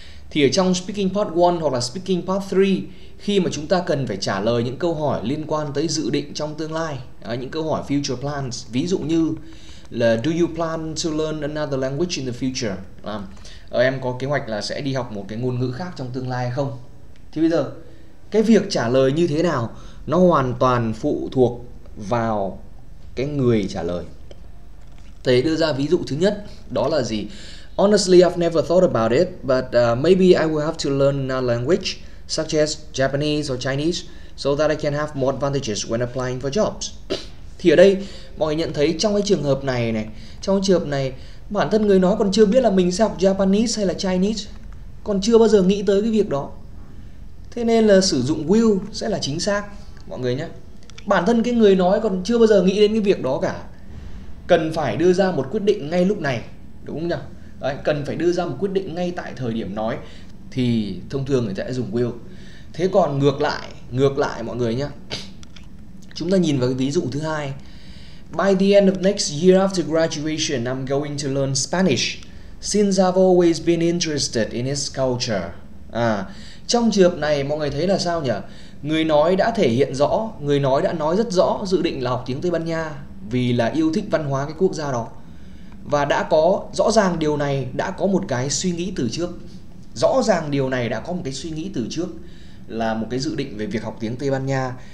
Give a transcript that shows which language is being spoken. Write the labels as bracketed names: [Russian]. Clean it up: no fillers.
[Vietnamese] Thì ở trong speaking part 1 hoặc là speaking part 3, khi mà chúng ta cần phải trả lời những câu hỏi liên quan tới dự định trong tương lai, những câu hỏi future plans, ví dụ như là [English] do you plan to learn another language in the future? [Vietnamese] Em có kế hoạch là sẽ đi học một cái ngôn ngữ khác trong tương lai hay không? Thì bây giờ, cái việc trả lời như thế nào nó hoàn toàn phụ thuộc vào cái người trả lời. Thầy đưa ra ví dụ thứ nhất, đó là gì? [English] Honestly, I've never thought about it, but maybe I will have to learn another language, such as Japanese or Chinese, so that I can have more advantages when applying for jobs. [Vietnamese] Thì ở đây, mọi người nhận thấy trong cái trường hợp này này, trong trường hợp này, bản thân người nói còn chưa biết là mình sẽ học Japanese hay là Chinese, còn chưa bao giờ nghĩ tới cái việc đó. Thế nên là sử dụng will sẽ là chính xác, mọi người nhé. Bản thân cái người nói còn chưa bao giờ nghĩ đến cái việc đó cả, cần phải đưa ra một quyết định ngay lúc này, đúng không nhỉ? Đấy, cần phải đưa ra một quyết định ngay tại thời điểm nói thì thông thường người ta sẽ dùng will. Thế còn ngược lại mọi người nhé, chúng ta nhìn vào cái ví dụ thứ hai. [English] By the end of next year after graduation, I'm going to learn Spanish, since I've always been interested in its culture. [Vietnamese] À, trong trường hợp này mọi người thấy là sao nhỉ? Người nói đã thể hiện rõ, người nói đã nói rất rõ dự định là học tiếng Tây Ban Nha vì là yêu thích văn hóa cái quốc gia đó. Và đã có, rõ ràng điều này đã có một cái suy nghĩ từ trước. Rõ ràng điều này đã có một cái suy nghĩ từ trước là một cái dự định về việc học tiếng Tây Ban Nha.